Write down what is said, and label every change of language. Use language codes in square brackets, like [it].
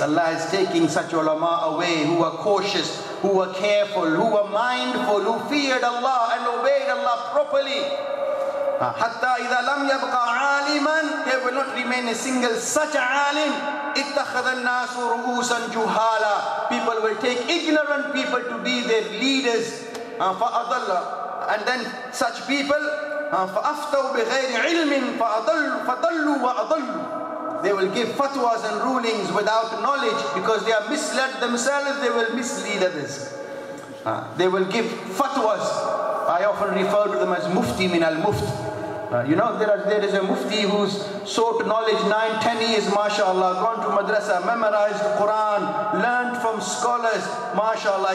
[en] Allah is taking such ulama away who are cautious, who are careful, who are mindful, who feared Allah and obeyed Allah properly. [ar] حتى إذا لم يبقى عالما, [en] there will not remain a single such عالم. [ar] اتخذ الناس رؤوسا جهالا. [en] People will take ignorant people to be their leaders. [ar] فأضلّ. [en] And then such people, [ar] فأفتوا بغير علم فضلوا وأضلوا. [en] They will give fatwas and rulings without knowledge because they are misled themselves, they will mislead others. They will give fatwas. I often refer to them as mufti min al-mufti. You know, there is a mufti who's sought knowledge 9-10 years, mashallah, gone to madrasa, memorized the Quran, learned from scholars, mashallah.